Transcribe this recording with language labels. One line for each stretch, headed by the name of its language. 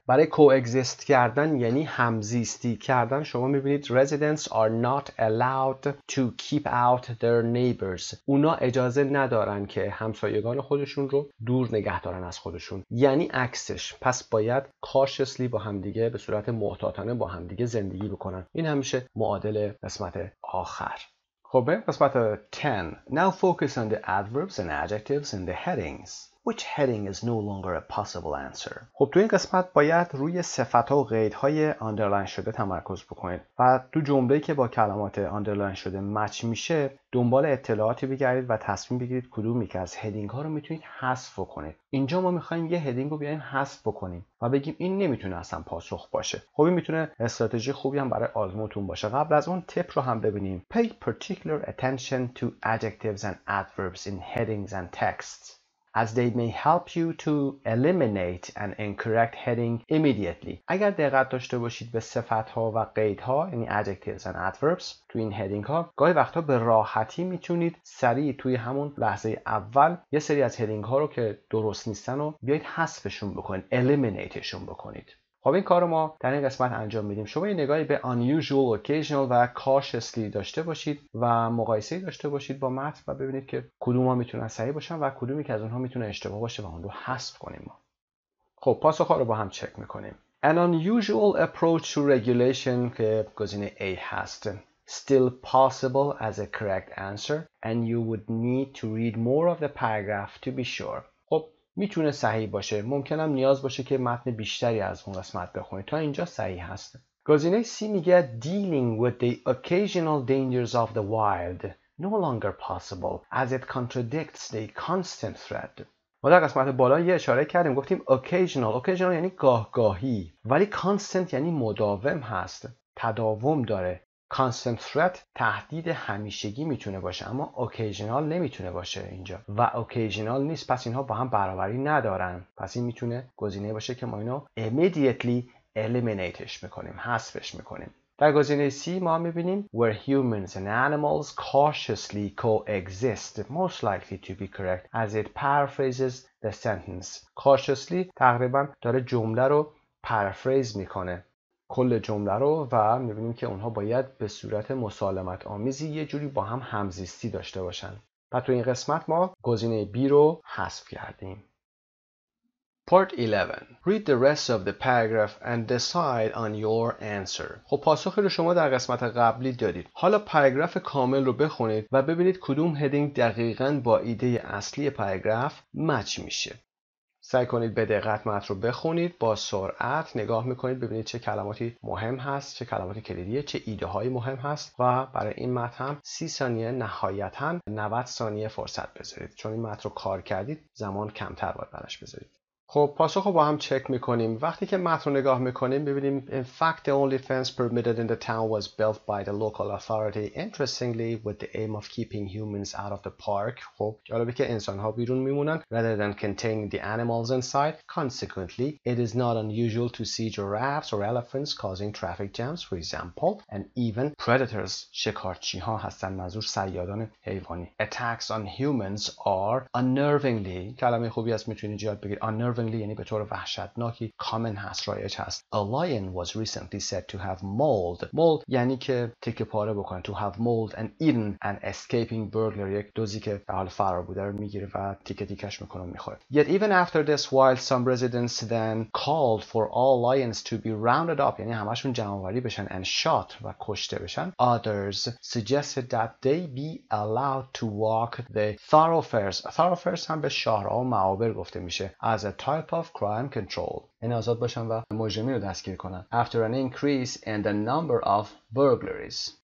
Persian: برای coexist کردن یعنی همزیستی کردن، شما میبینید
English: residents are not allowed to keep out their neighbors.
Persian: اونا اجازه ندارن که همسایگان خودشون رو دور نگه دارن از خودشون، یعنی عکسش. پس باید cautiously با همدیگه، به صورت محتاطانه با همدیگه زندگی بکنن. این همیشه معادل قسمت آخر. خب قسمت 10.
English: Now focus on the adverbs and adjectives in the headings. Which heading is no longer a possible answer?
Persian: خب تو این قسمت باید روی صفت ها و قید های underline شده تمرکز بکنید و تو جمله که با کلمات underline شده match میشه دنبال اطلاعاتی بگردید و تصمیم بگیرید کدومی که از heading ها رو میتونید حذف کنید. اینجا ما میخواییم یه heading رو بیاییم حذف بکنیم و بگیم این نمیتونه اصلا پاسخ باشه. خب این میتونه استراتژی خوبی هم برای آزمونتون باشه. قبل از اون tip رو هم ببینیم.
English: Pay particular attention to adjectives and adverbs in headings and texts, as they may help you to eliminate an incorrect heading immediately.
Persian: اگر دقت داشته باشید به صفت ها و قید ها، یعنی
English: adjectives and adverbs
Persian: تو این heading ها، گاهی وقتا به راحتی میتونید سریع توی همون لحظه اول یه سری از heading ها رو که درست نیستن رو بیایید حذفشون بکنید، eliminateشون بکنید. خب این کار ما در این قسمت انجام میدیم. شما یه نگاهی به unusual, occasional و cautiously داشته باشید و مقایسه داشته باشید با متن و ببینید که کدوم ها میتونن صحیح باشن و کدومی که از اونها میتونه اشتباه باشه و اون رو حذف کنیم ما. خب پاسخ ها رو با هم چک میکنیم.
English: An unusual approach to regulation
Persian: که گزینه A هست.
English: Still possible as a correct answer and you would need to read more of the paragraph to be sure.
Persian: میتونه صحیح باشه، ممکنم نیاز باشه که متن بیشتری از اون قسمت بخونی تا اینجا صحیح هست. گزینه C میگه
English: dealing with the occasional dangers of the wild no longer possible as it contradicts the constant threat.
Persian: ما در قسمت بالا یه اشاره کردیم، گفتیم occasional یعنی گاهگاهی، ولی constant یعنی مداوم هست، تداوم داره. Constant threat تهدید همیشگی میتونه باشه، اما occasional نمیتونه باشه اینجا و occasional نیست، پس اینها با هم برابری ندارن. پس این میتونه گزینه باشه که ما اینو immediately eliminateش میکنیم، حذفش میکنیم. در گزینه C ما میبینیم
English: where humans and animals cautiously coexist most likely to be correct as it paraphrases the sentence.
Persian: Cautiously تقریبا داره جمله رو paraphrase میکنه، کل جمله رو، و میبینیم که اونها باید به صورت مسالمت آمیزی یه جوری با هم همزیستی داشته باشن. و تو این قسمت ما گزینه B رو حذف کردیم.
English: Part 11. Read the rest of the paragraph and decide on your answer.
Persian: خب پاسخی رو شما در قسمت قبلی دادید. حالا پاراگراف کامل رو بخونید و ببینید کدوم هدینگ دقیقاً با ایده اصلی پاراگراف مچ میشه. سعی کنید به دقت متن رو بخونید، با سرعت نگاه میکنید ببینید چه کلماتی مهم هست، چه کلماتی کلیدیه، چه ایده های مهم هست، و برای این متن هم 30 ثانیه نهایتاً 90 ثانیه فرصت بذارید، چون این متن رو کار کردید زمان کمتر باید براش بذارید. خب پاسخو با هم چک میکنیم. وقتی که متن رو نگاه میکنیم ببینیم
English: in fact the only fence permitted in the town was built by the local authority interestingly with the aim of keeping humans out of the park.
Persian: خب جالبه که انسان ها بیرون میمونن
English: rather than containing the animals inside. Consequently it is not unusual to see giraffes or elephants causing traffic jams for example and even predators.
Persian: شکارچی ها هستن، منظور صیادان حیوانی.
English: Attacks on humans are unnervingly.
Persian: کلمه خوبی هست، میتونید یاد بگیرید. Unnervingly یعنی به طور وحشتناکی، common هست، رایج هست.
English: A lion was recently said to have mauled. Mauled
Persian: یعنی که تکه پاره بکنه.
English: To have mauled and eaten an escaping burglar.
Persian: یک دوزی که در حال فرار بوده رو میگیره و تکه تکش میکنه و میخوره.
English: Yet even after this while some residents then called for all lions to be rounded up.
Persian: یعنی همشون جمع‌آوری بشن.
English: And shot
Persian: و کشته بشن.
English: Others suggested that they be allowed to walk the thoroughfares.
Persian: Thoroughfares هم به شهرها و معابر گفته میشه. از تا
English: type of crime control.
Persian: این آزاد باشن و مجرمین رو دستگیر کنن.
English: After an increase in the number of burglaries.